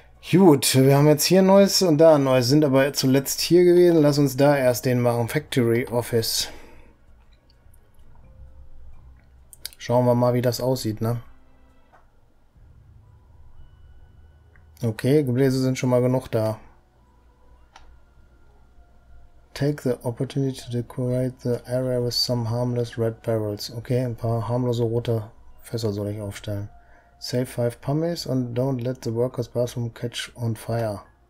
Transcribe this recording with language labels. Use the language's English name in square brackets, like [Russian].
[German] Gut, wir haben jetzt hier ein neues und da ein neues, sind aber zuletzt hier gewesen. Lass uns da erst den machen. Factory Office. Schauen wir mal, wie das aussieht, ne? Okay, Gebläse sind schon mal genug da. [English] Take the opportunity to decorate the area with some harmless red barrels. [German] Okay, ein paar harmlose rote Fässer soll ich aufstellen. [English] Save 5 pummies and don't let the workers' bathroom catch on fire.